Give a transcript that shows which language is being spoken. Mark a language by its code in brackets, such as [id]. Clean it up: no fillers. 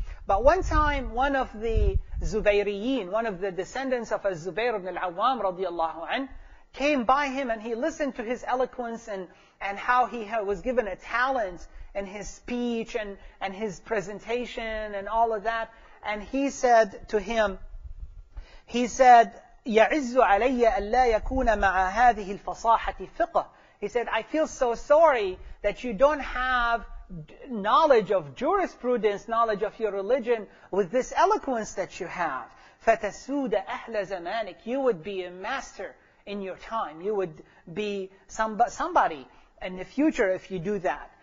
[en] But one time, one of the Zubayriyin, one of the descendants of Zubayr ibn al-Awwam radiallahu anh, came by him and he listened to his eloquence and how he was given a talent in his speech and his presentation and all of that. And he said to him, he said, [ar] يَعِزُّ عَلَيَّ أَلَّا يَكُونَ مَعَ هَذِهِ الْفَصَاحَةِ فِقْهِ. [en] He said, I feel so sorry that you don't have knowledge of jurisprudence, knowledge of your religion, with this eloquence that you have. [ar] فَتَسُودَ أَهْلَ زَمَانِكَ. [en] You would be a master in your time. You would be somebody in the future if you do that.